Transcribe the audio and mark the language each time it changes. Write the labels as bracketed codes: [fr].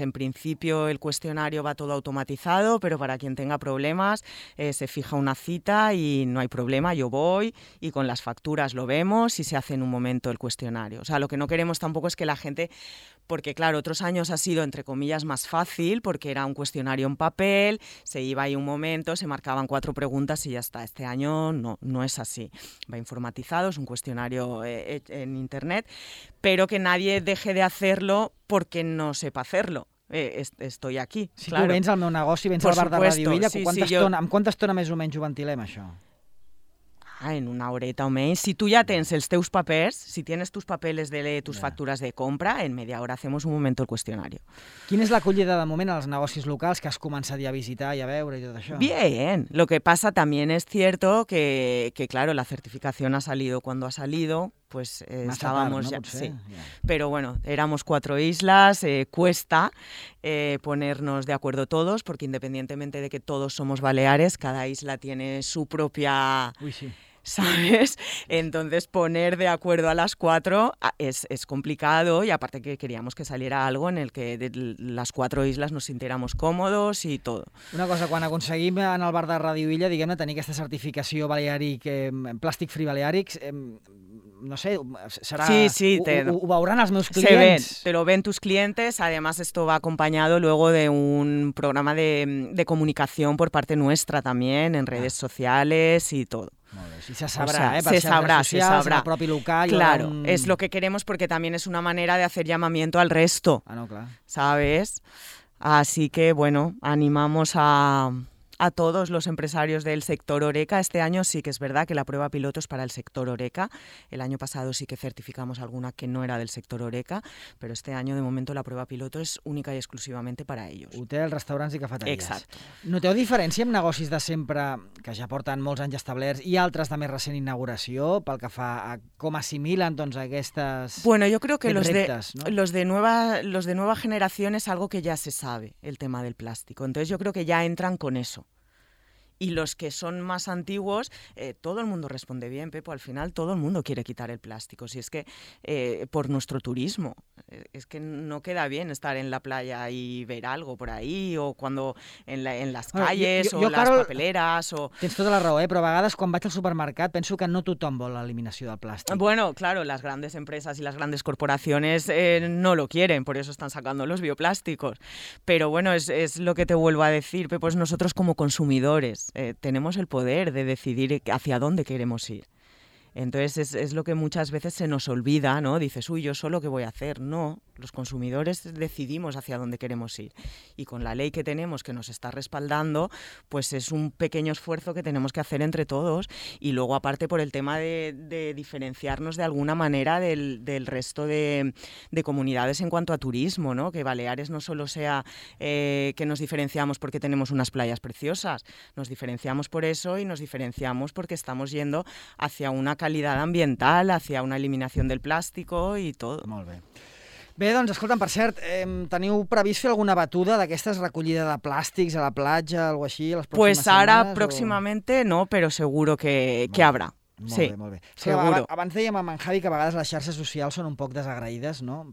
[es] En principio el cuestionario va todo automatizado, pero para quien tenga problemas, se fija una cita y no hay problema, yo voy y con las facturas lo vemos y se hace en un momento el cuestionario. O sea, lo que no queremos tampoco es que la gente, porque claro, otros años ha sido entre comillas más fácil porque era un cuestionario en papel, se iba ahí un momento, se marcaban 4 preguntas y ya está. Este año no es así, va informatizado, es un cuestionario en internet, pero que nadie deje de hacerlo porque no sepa hacerlo. Estoy aquí. Si claro. [ca] Tu vens al meu negoci, vens al bar de Radio Illa, amb quanta estona més o menys ho ventilem, això? [es] En una horeta o menys. [ca] Si tu ja tens els teus papers, [es] si tienes tus papeles de tus factures de compra, en media hora hacemos un momento el cuestionario. [ca] Quina és l'acollida de moment als negocis locals que has començat ja a visitar i a veure i tot això? [es] Bien. Lo que pasa también es cierto que claro, la certificación ha salido cuando ha salido. Pues estábamos [ca] tard, no? [es] Ya, sí. Pero bueno, éramos 4 islas, cuesta ponernos de acuerdo todos, porque independientemente de que todos somos baleares, cada isla tiene su propia... Uy, sí. ¿Sabes? Entonces poner de acuerdo a las 4 es complicado y aparte que queríamos que saliera algo en el que de las 4 islas nos sintiéramos cómodos y todo. [ca] Una cosa, quan aconseguim en el bar de Radio Illa, diguem-ne, tenir aquesta certificació Balearic, Plastic Free Balearics, no sé, serà... [es] Sí, [ca] ho veuran els meus clients. [es] Te lo ven tus clientes, además esto va acompañado luego de un programa de comunicación por parte nuestra también, en redes sociales y todo. Y se sabrá, o sea, se sabrá. En el propio local. Claro, es lo que queremos porque también es una manera de hacer llamamiento al resto. Ah, no, claro. ¿Sabes? Así que, bueno, animamos a todos los empresarios del sector Horeca. Este año sí que es verdad que la prueba piloto es para el sector Horeca. El año pasado sí que certificamos alguna que no era del sector Horeca, pero este año de momento la prueba piloto es única y exclusivamente para ellos. [ca] Hotels, restaurants i cafeteries. [es] Exacto. [ca] Noteu diferència amb negocis de sempre que ja porten molts anys establerts i altres de més recent inauguració pel que fa a com assimilen doncs, aquestes... [es] Bueno, yo creo que los de nueva generación es algo que ya se sabe, el tema del plástico. Entonces yo creo que ya entran con eso. Y los que son más antiguos, todo el mundo responde bien, Pepo. Al final todo el mundo quiere quitar el plástico. Si es que por nuestro turismo, es que no queda bien estar en la playa y ver algo por ahí o cuando en las calles las papeleras. O... [ca] Tens tota la raó, però a vegades quan vaig al supermercat penso que no tothom vol l'eliminació del plàstic. [es] Bueno, claro, las grandes empresas y las grandes corporaciones no lo quieren, por eso están sacando los bioplásticos. Pero bueno, es lo que te vuelvo a decir, Pepo, es nosotros como consumidores. Tenemos el poder de decidir hacia dónde queremos ir. Entonces es lo que muchas veces se nos olvida, ¿no? Dices, uy, yo solo qué voy a hacer. No, los consumidores decidimos hacia dónde queremos ir. Y con la ley que tenemos que nos está respaldando, pues es un pequeño esfuerzo que tenemos que hacer entre todos. Y luego, aparte, por el tema de diferenciarnos de alguna manera del resto de comunidades en cuanto a turismo, ¿no? Que Baleares no solo sea que nos diferenciamos porque tenemos unas playas preciosas. Nos diferenciamos por eso y nos diferenciamos porque estamos yendo hacia una calidad ambiental, hacia una eliminación del plástico y todo. [ca] Molt bé. Bé, doncs, escolta'm, per cert, teniu previst fer alguna batuda d'aquestes recollida de plàstics a la platja, algo així, les pròximes ara, pròximament, no, però [es] seguro que habrá. [ca] Molt bé. [es] Seguro. [ca] Abans dèiem amb en Javi que a vegades les xarxes socials són un poc desagraïdes, no?